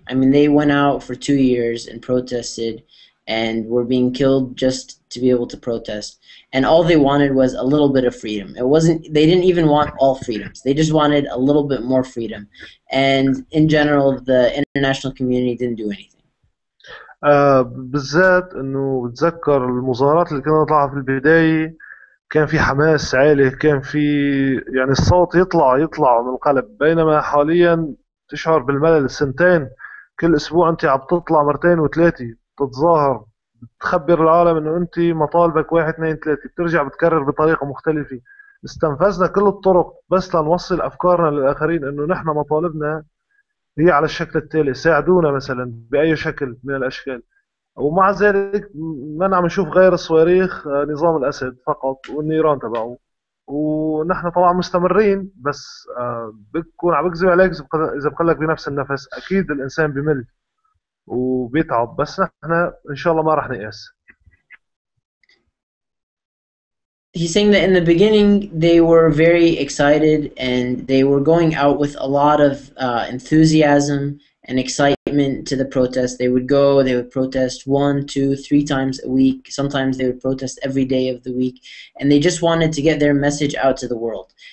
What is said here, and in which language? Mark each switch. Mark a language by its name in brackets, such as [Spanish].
[English] I mean, they went out for 2 years and protested and were being killed just to be able to protest. And all they wanted was a little bit of freedom. They didn't even want all freedoms. They just wanted a little bit more freedom. And in general, the international community didn't do anything. [Arabic] بالذات انه بتذكر المظاهرات اللي كنا نطلع في البداية كان في حماس عالي كان في يعني الصوت يطلع من القلب بينما حاليا تشعر بالملل سنتين كل اسبوع انت عم تطلع مرتين وثلاثه بتتظاهر بتخبر العالم انه انت مطالبك 1 2 3 بترجع بتكرر بطريقه مختلفه استنفذنا كل الطرق بس لنوصل افكارنا للاخرين انه نحن مطالبنا هي على الشكل التالي ساعدونا مثلا باي شكل من الاشكال ومع ذلك ما عم نشوف غير الصواريخ نظام الأسد فقط والنيران تبعه ونحن طبعا مستمرين بس بكون عم بكذب عليك إذا بقلك بنفس النفس أكيد الإنسان بمل وبيتعب بس نحن إن شاء الله ما رح نيأس. [English] He's saying that in the beginning they were very excited and they were going out with a lot of enthusiasm and excitement to the protest. They would go, they would protest 1, 2, 3 times a week. Sometimes they would protest every day of the week. And they just wanted to get their message out to the world.